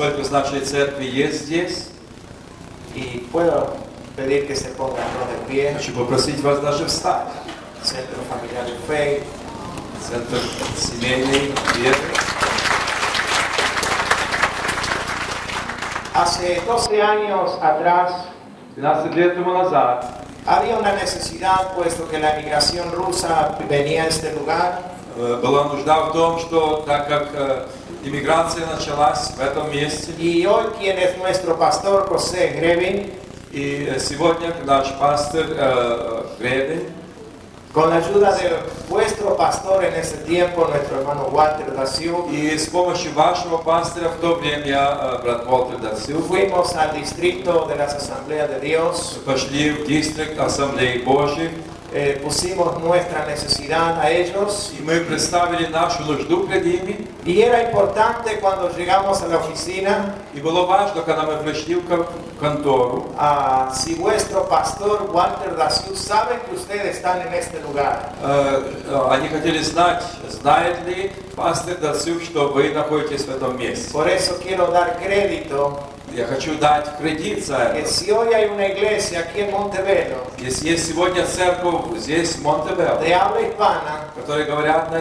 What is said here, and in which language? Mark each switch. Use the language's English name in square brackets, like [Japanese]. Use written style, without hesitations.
[Russian] Нашей церкви есть здесь. И [Spanish] puedo pedir que se ponga de pie. [Russian] Хочу попросить вас даже встать. Центр Familiar Faith. Центр семейной веры. [Spanish] Hace 12 años atrás. [Russian] 12 лет тому назад. [Spanish] Había una necesidad, puesto que la migración rusa venía a este lugar. [Russian] Была нужда в том, что так как иммиграция началась в этом месте. И [Spanish] hoy, quien es nuestro pastor, José Greven. [Russian] И сегодня наш пастор Greven. [Spanish] Con la ayuda de vuestro pastor en ese tiempo, nuestro hermano Walter da Silva, y [Russian] с помощью вашего пастора в то время брат Walter da Silva, [Spanish] fuimos al distrito de las Asambleas de Dios. [Russian] Пошли в дистрикт Ассамблеи Божьей. [Spanish] Pusimos nuestra necesidad a ellos. Y [Russian] мы представили нашу нужду пред ними. [Spanish] Y era importante cuando llegamos a la oficina. [Russian] И было важно, когда мы пришли в контору. [Spanish] Si vuestro pastor Walter Dasiu sabe que ustedes están en este lugar. [Russian] Они хотели знать, знает ли пастор Дасю, что вы находитесь в этом месте. [Spanish] Por eso quiero dar crédito. [Russian] Я хочу дать кредит за это. Если есть сегодня церковь здесь, в Монтевидео, которые говорят на